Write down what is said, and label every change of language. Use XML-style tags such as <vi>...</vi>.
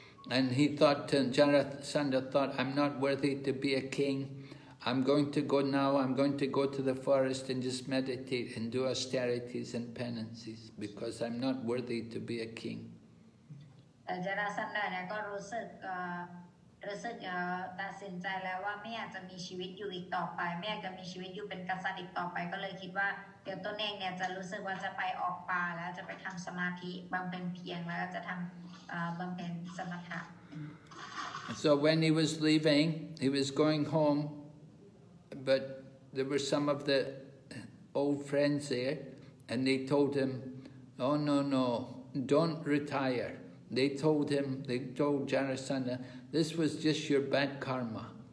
<en>And he thought, Jarasandha thought, I'm not worthy to be a king. I'm going to go now, I'm going to go to the forest and just meditate and do austerities and penances because I'm not worthy to be a king.</en> <th>Jarasandha ก็รู้สึกรู้สึกตัดสินใจแล้วว่าไม่อยากจะมีชีวิตอยู่อีกต่อไปไม่อยากจะมีชีวิตอยู่เป็นกษัตริย์อีกต่อไปก็เลยคิดว่าเดี๋ยวตัวเองเนี่ยจะรู้สึกว่าจะไปออกป่าแล้วจะไปทำสมาธิบำเพ็ญเพียรแล้วจะทำบำเพ็ญสมถะ</th> <en>So when he was leaving, he was going home, but there were some of the old friends there, and they told him, "Oh no, no, don't retire." They told him, they told Jarasandha. This was just your bad karma.</en>